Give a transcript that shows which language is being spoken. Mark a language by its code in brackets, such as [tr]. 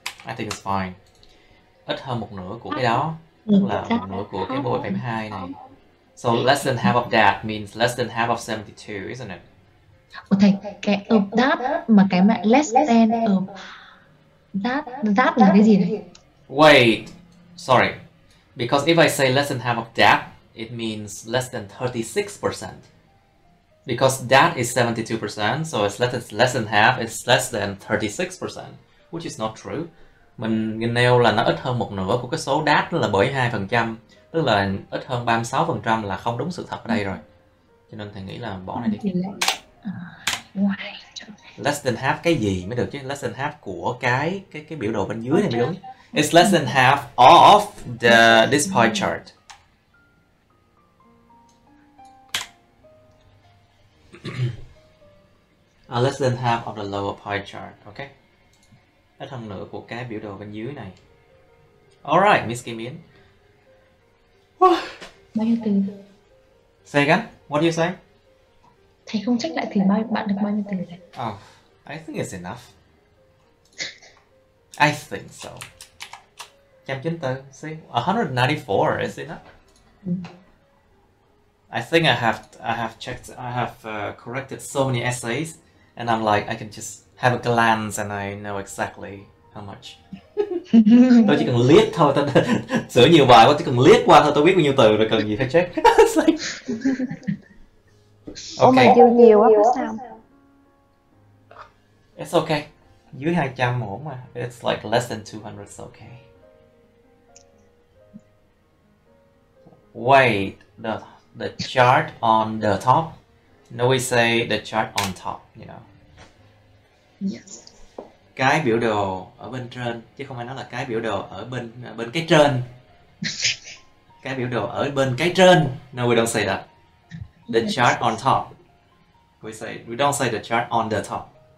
[en] I think it's fine. [vi] Ít hơn một nửa của cái đó, tức là một nửa của cái bộ 72 này. [en] So less than half of that means less than half of 72, isn't it? [vi] Ủa thầy, cái [en] of that [vi] mà cái mà [en] less than of that [vi] là cái gì này? [en] Wait, sorry. Because if I say less than half of that, it means less than 36%. Because that is 72%, so it's less than half, it's less than 36%, which is not true. [vi] Mình nêu là nó ít hơn một nửa của cái số đát là 72%, tức là ít hơn 36% là không đúng sự thật ở đây rồi. Cho nên thầy nghĩ là bỏ này đi. Ngoài [en] Less than half [vi] cái gì mới được chứ? Less than half của cái biểu đồ bên dưới một này mới trăm, đúng. [en] It's less than half of the this pie chart. Less than half of the lower pie chart. Okay. [vi] Less hơn nửa của cái biểu đồ bên dưới này. [en] All right, Miss Kim Yến. [vi] Bao nhiêu từ? [en] Say again. What do you say? [vi] Thầy không check lại thì bao bạn được bao nhiêu từ này? [en] Oh, I think it's enough. I think so. 194, see? 194, is it not? I think I have corrected so many essays, and I'm like, I can just have a glance and I know exactly how much. [vi] Tôi chỉ cần liếc thôi, tôi sửa nhiều bài quá, chỉ cần liếc qua thôi, tôi biết bao nhiêu từ rồi, cần gì phải check. [en] It's like... [vi] Okay. Ôi mà dư nhiều quá, có sao? [en] It's okay. [vi] Dưới 200 ổn mà. [en] It's like less than 200, it's okay. Wait, the chart on the top? No, we say the chart on top, you know. Yes. [vi] Cái biểu đồ ở bên trên, chứ không ai nói là cái biểu đồ ở bên bên cái trên. Cái biểu đồ ở bên cái trên. [en] No, we don't say that. The chart on top. We don't say the chart on the top.